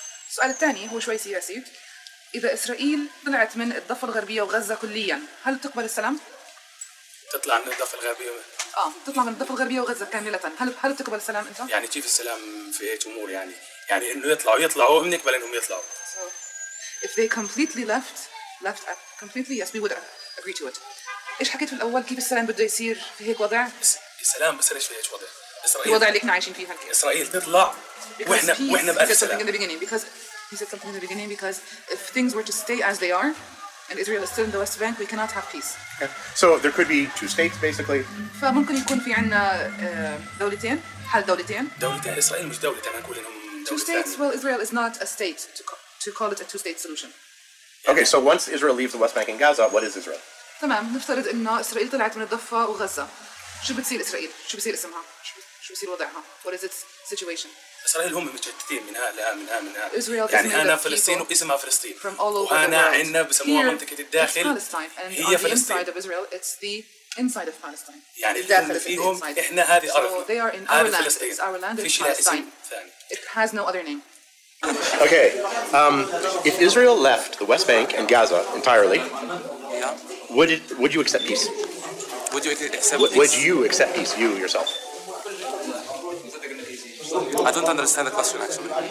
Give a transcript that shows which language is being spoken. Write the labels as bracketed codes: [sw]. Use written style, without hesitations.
[ar] السؤال الثاني هو شوي سياسي. إذا إسرائيل طلعت من الضفة الغربية وغزة كلياً، هل تقبل السلام؟ تطلع من الضفة الغربية. تطلع من الضفة الغربية وغزة كاملةً، هل تقبل السلام أنت؟ يعني كيف السلام في أي أمور يعني إنه يطلعوا بنقبل إنهم يطلعوا. [en] So, if they completely left completely, yes, we would agree to it. [ar] إيش حكيت في الأول كيف السلام بده يصير في هيك وضع؟ السلام بس ليش في هيك وضع؟ إسرائيل. الوضع اللي إحنا عايشين فيه هالكي. إسرائيل تطلع. وإحنا بألف سلام. [en] He said something in the beginning, because if things were to stay as they are, and Israel is still in the West Bank, we cannot have peace. Okay. So there could be two states, basically. [ar] فممكن يكون في عنا دولتين, حل دولتين. دولتين, إسرائيل مش دولتين, أنا أقول إنهم دولتين. [en] Two states, well, Israel is not a state, to call it a two-state solution. Okay, so once Israel leaves the West Bank and Gaza, what is Israel? [ar] تمام, نفترض إن إسرائيل طلعت من الضفة وغزة. شو بتصير إسرائيل؟ شو بتصير اسمها؟ شو بتصير وضعها؟ [en] What is its situation? [ar] إسرائيل هم متشتتين من هلا من هلا من هلا يعني أنا فلسطين واسمها فلسطين وأنا عنا بسموها منطقة الداخل هي فلسطين يعني الداخل فيهم إحنا هذه أرض هذه فلسطين في شيء اسم ثاني [en] it has no other name. Okay, if Israel left the West Bank and Gaza entirely, would you accept peace? Would you accept peace? You yourself. I don't understand the question, actually.